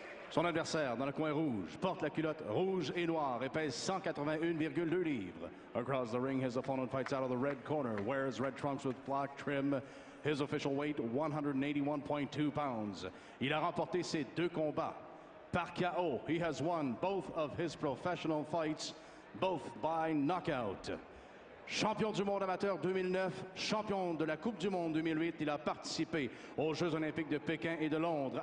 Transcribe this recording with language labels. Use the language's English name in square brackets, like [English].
[French] Son adversaire dans le coin rouge porte la culotte rouge et noire et pèse 181,2 livres. [English] Across the ring, his opponent fights out of the red corner, wears red trunks with black trim. His official weight, 181.2 pounds. [French] Il a remporté ses deux combats par KO. [English] He has won both of his professional fights, both by knockout. [French] Champion du monde amateur 2009, champion de la Coupe du monde 2008, il a participé aux Jeux olympiques de Pékin et de Londres.